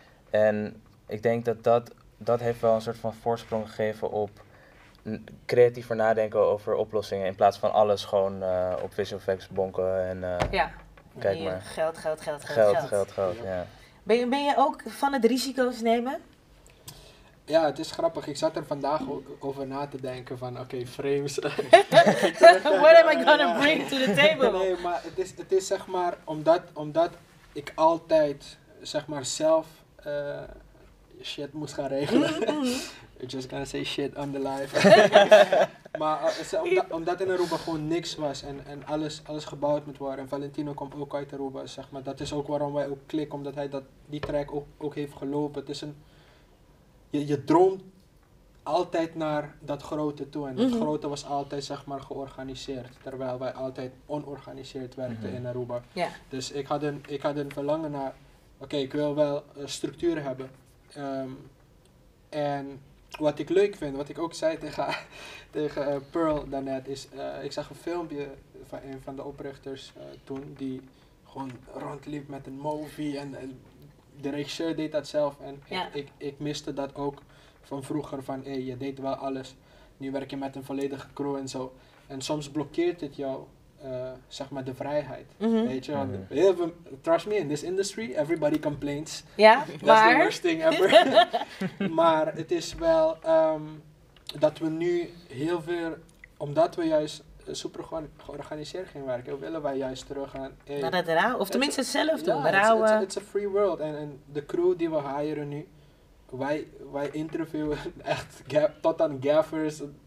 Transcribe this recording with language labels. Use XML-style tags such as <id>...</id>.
<nl>En ik denk dat heeft wel een soort van voorsprong gegeven op creatiever nadenken over oplossingen in plaats van alles gewoon op visual effects bonken en kijk maar. Geld. Ben je ook van het risico's nemen? Ja, het is grappig. Ik zat er vandaag ook over na te denken van oké, frames.</nl> <en>What am I gonna bring to the table?</en> <nl>Nee, maar het is zeg maar omdat ik altijd zeg maar zelf shit moest gaan regelen.</nl> <en>I'm just gonna say shit on the live.</en> <nl>Maar omdat in Aruba gewoon niks was en alles gebouwd moet worden. En Valentino komt ook uit Aruba, zeg maar. Dat is ook waarom wij ook klikken, omdat hij die track ook heeft gelopen. Het is een... Je droomt altijd naar dat grote toe. En dat grote was altijd, zeg maar, georganiseerd. Terwijl wij altijd onorganiseerd werkten in Aruba.</nl> <en>Yeah.</en> <nl>Dus ik had een verlangen naar... Oké, ik wil wel structuur hebben. En... Wat ik leuk vind, wat ik ook zei tegen Pearl daarnet, is ik zag een filmpje van een van de oprichters toen, die gewoon rondliep met een movie en de regisseur deed dat zelf. En ik miste dat ook van vroeger, van hey, je deed wel alles, nu werk je met een volledige crew en zo. En soms blokkeert het jou, zeg maar, de vrijheid, weet je.</nl> <en>Trust me, in this industry, everybody complains.</en> <nl>Ja,</nl> <en>that's the worst thing ever.</en> <nl>Maar het is wel dat we nu heel veel, omdat we juist super georganiseerd gingen werken, willen wij juist terug gaan. Naar dat rauw, of tenminste hetzelfde. It's a free world. En de crew die we hiren nu, wij interviewen echt tot aan gaffers.</nl>